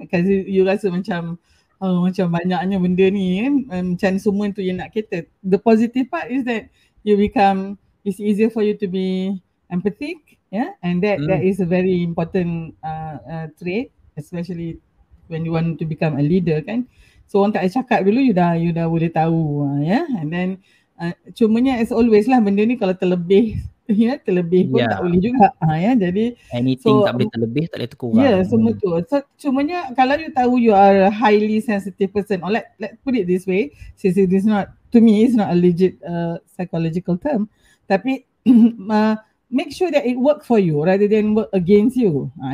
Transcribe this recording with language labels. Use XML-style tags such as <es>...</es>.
<en>Because you</en> <ms>rasa macam macam banyaknya benda ni kan, macam semua tu yang nak cater.</ms> <en>The positive part is that it's easier for you to be empathic, yeah? And that is a very important trait, especially when you want to become a leader</en> <ms>kan.</ms> <en>So</en> <ms>orang tak ada cakap dulu, you dah boleh tahu,</ms> <en>yeah? And then</en> <ms>cumanya as always lah, benda ni kalau terlebih pun tak boleh juga. Jadi anything tak boleh terlebih, tak boleh terkurang. Semua tu. So cumanya kalau you tahu</ms> <en>you are a highly sensitive person, or let's put it this way, since it is not, to me it's not a legit psychological term,</en> <ms>tapi</ms> <en>make sure that it work for you rather than work against you.</en>